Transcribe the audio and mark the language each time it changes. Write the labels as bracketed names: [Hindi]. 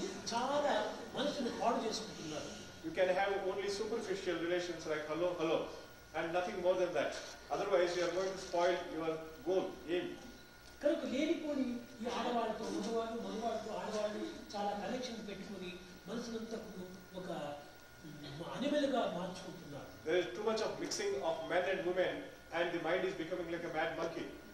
[English] You can have only superficial relations like hello, hello and nothing more than that. Otherwise you are going to spoil your goal, aim. [Telugu] కరకు లేనిపోని ఈ ఆడవాళ్ళతో మగవాళ్ళు, మగవాళ్ళతో ఆడవాళ్ళు చాలా connection పెట్టుకుని మనసునంతా ఒక అనిమలుగా మార్చుకుంటున్నారు. [English] There is too much of mixing of men and women and the mind is becoming like a mad monkey.